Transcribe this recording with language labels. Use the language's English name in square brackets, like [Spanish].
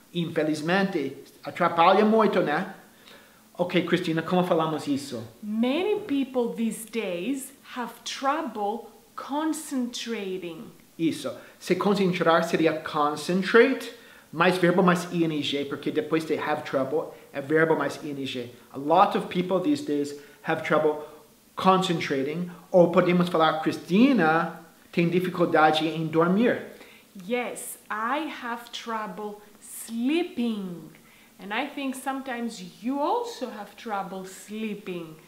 [Portuguese] Infelizmente, atrapalha muito, né? Ok, Cristina, como falamos isso? [English] Many people these days have trouble concentrating. [Portuguese] Isso. Se concentrar seria concentrate, mais verbo mais ing, porque depois de have trouble, é verbo mais ing. [English] A lot of people these days have trouble concentrating. [Portuguese] Ou podemos falar, Cristina tem dificuldade em dormir. [English] Yes, I have trouble sleeping. And I think sometimes you also have trouble sleeping.